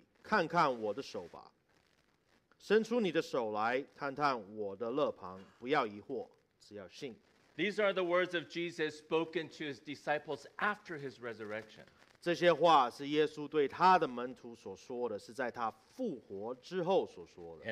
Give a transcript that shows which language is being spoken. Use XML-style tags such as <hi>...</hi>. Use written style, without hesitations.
<zh>在约翰福音20章27节，耶稣在这里说，他是对多马说的，把你的指头放在这里，看看我的手吧。伸出你的手来，探探我的肋旁，不要疑惑，只要信。</zh> <en>These are the words of Jesus spoken to his disciples after his resurrection.</en> <zh>这些话是耶稣对他的门徒所说的，是在他复活之后所说的。</zh>